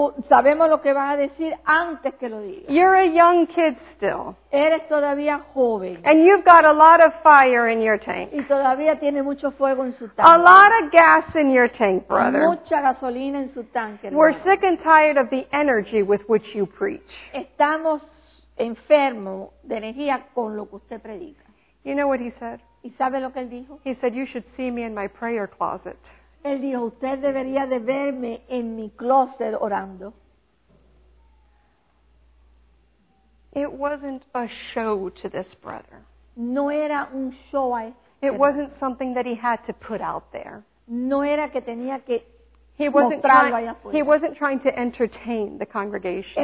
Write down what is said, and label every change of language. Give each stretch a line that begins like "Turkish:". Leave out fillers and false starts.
Spanish: Sabemos lo que vas a decir antes que lo digas.
English: You're a young kid still.
Spanish: Eres todavía joven.
English: And you've got a lot of fire in your tank.
Spanish: Y todavía tiene mucho fuego en su tanque.
English: A lot of gas in your tank, brother.
Spanish: Mucha gasolina en su tanque.
English: We're sick and tired of the energy with which you preach.
Spanish: Estamos enfermo de energía con lo que usted predica.
English: You know what he said?
Spanish: ¿Y sabe lo que él dijo?
English: He said, "You should see me in my prayer closet."
Spanish: Él dijo, usted debería de verme en mi closet orando.
English: It wasn't a show to this brother.
Spanish: No era un show a este.
English: It wasn't something that he had to put out there.
Spanish: No era que tenía que
English: He wasn't trying to entertain the congregation.